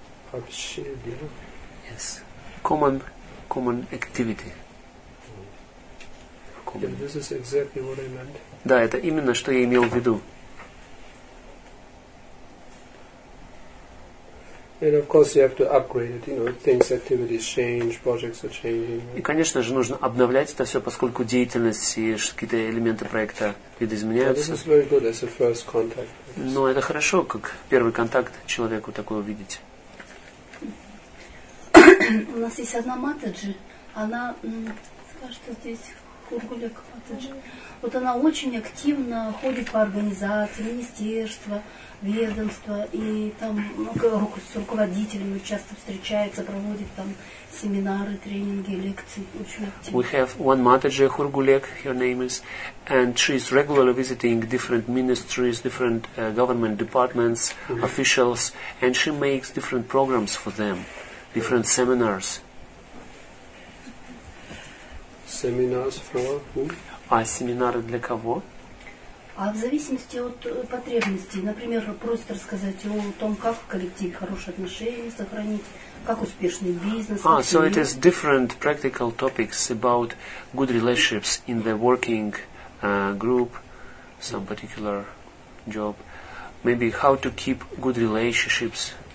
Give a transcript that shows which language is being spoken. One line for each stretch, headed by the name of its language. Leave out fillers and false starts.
Russian: Вообще, да?
English: Yes. Common activity. Yeah, this is exactly what I meant.
Russian: Да, это именно, что я имел в виду.
English: And of course you have to upgrade it, you know, things, activities change, projects are changing.
Russian: И, конечно же, нужно обновлять это все, поскольку деятельность и какие-то элементы проекта видоизменяются.
English: This is very good as a first contact.
Russian: Ну, это хорошо, как первый контакт человеку такой увидеть. У нас есть одна матаджи, она, скажет, что здесь Хургуляк матаджи, вот она очень активно ходит по организации, министерства, ведомства, и там с руководителями часто встречается, проводит там семинары, тренинги, лекции, очень активно.
English: We have one matadji, Хургуляк, her name is, and she is regularly visiting different ministries, different government departments, mm-hmm. officials, and she makes different programs for them. Different seminars. Seminars for who?
Russian: А семинары для кого? А в зависимости от потребностей. Например, просто рассказать о том, как в коллективе хорошие отношения сохранить, как успешный бизнес.
English: Ah, so it is different practical topics about good relationships in the working group, some particular job. Maybe how to keep good relationships.